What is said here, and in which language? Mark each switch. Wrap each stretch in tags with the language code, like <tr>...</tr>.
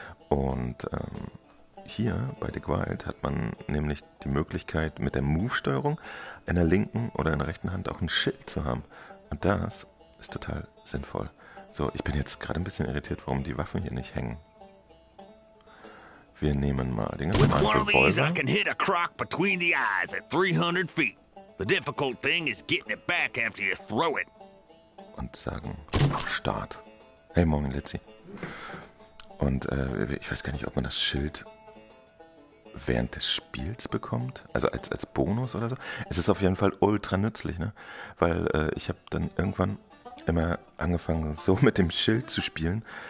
<de>Und hier bei Dick Wild hat man nämlich die Möglichkeit, mit der Move-Steuerung in der linken oder in der rechten Hand auch ein Schild zu haben. Und das ist total sinnvoll. So, ich bin jetzt gerade ein bisschen irritiert, warum die Waffen hier nicht hängen. Wir nehmen mal den ganzen Revolver.</de> <en>With one of these, I can hit a croc between the eyes at 300 feet. The difficult thing is getting it back after you throw it.</en> <de>Und sagen, Start. Hey, morgen, Letzi. Und ich weiß gar nicht, ob man das Schild während des Spiels bekommt. Also als Bonus oder so. Es ist auf jeden Fall ultra nützlich, ne? Weil ich habe dann irgendwann immer angefangen, so mit dem Schild zu spielen.</de>